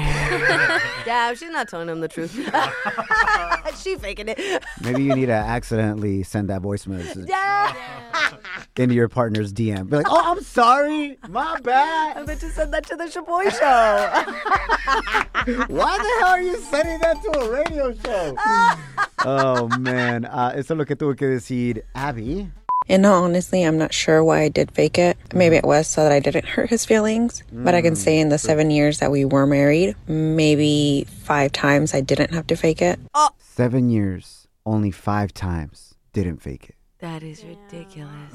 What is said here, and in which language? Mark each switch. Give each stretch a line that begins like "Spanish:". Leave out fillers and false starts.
English: Yeah, she's not telling him the truth. She faking it. Maybe you need to accidentally send that voice message. Into your partner's DM. Be like, oh, I'm sorry. My bad. I meant to send that to the Shaboy Show. Why the hell are you sending that to a radio show? Oh, man.
Spanish: Eso es lo que tuve que decir, Abby.
English: And honestly, I'm not sure why I did fake it. Maybe it was so that I didn't hurt his feelings. But I can say in the 7 years that we were married, maybe 5 times I didn't have to fake it. 7 years, only 5 times didn't fake it. That is ridiculous.